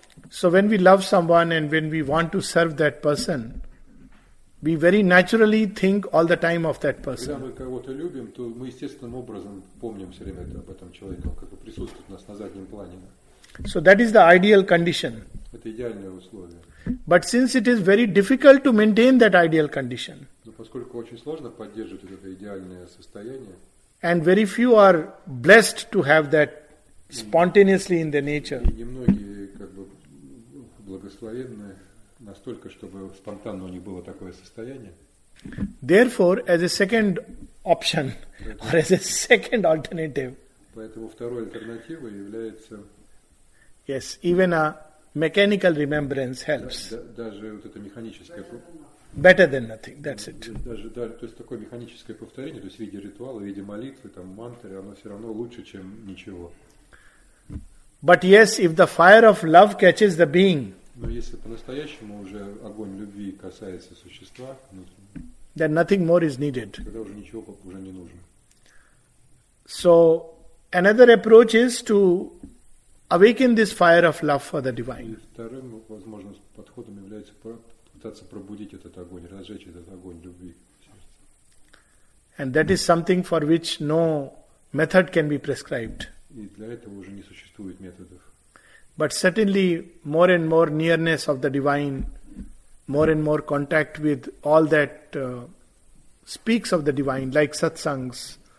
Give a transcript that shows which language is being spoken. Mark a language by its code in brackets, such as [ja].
[en] So when we love someone and when we want to serve that person, we very naturally think all the time of that person. [ru] Когда мы кого-то любим, то мы естественным образом помним все время об этом человеке, он как бы присутствует у нас на заднем плане. [en] So that is the ideal condition. [ru] Это идеальное условие. [en] But since it is very difficult to maintain that ideal condition. [ru] Но поскольку очень сложно поддерживать это идеальное состояние. [en] And very few are blessed to have that spontaneously in the nature. [ru] И немногие как бы благословенны настолько, чтобы спонтанно у них было такое состояние. [en] Therefore, as a second option, or as a second alternative. [ru] Поэтому второй альтернативой является. [en] Yes, even a mechanical remembrance helps. [ru] Даже вот это механическое. [en] Better than nothing. That's it. [ru] Даже да, то есть такое механическое повторение, то есть в виде ритуала, в виде молитвы, там мантры, оно все равно лучше, чем ничего. [en] But yes, if the fire of love catches the being. [ru] Но если по-настоящему уже огонь любви касается существа. [en] Then nothing more is needed. [ru] Тогда уже ничего уже не нужно. [en] So another approach is to awaken this fire of love for the divine. [ru] И вторым возможным подходом является пытаться пробудить этот огонь, разжечь этот огонь любви. [en] And that is something for which no method can be prescribed. [ru] И для этого уже не существует методов. [en] But certainly more and more nearness of the divine, more and more contact with all that speaks of the divine, like satsangs.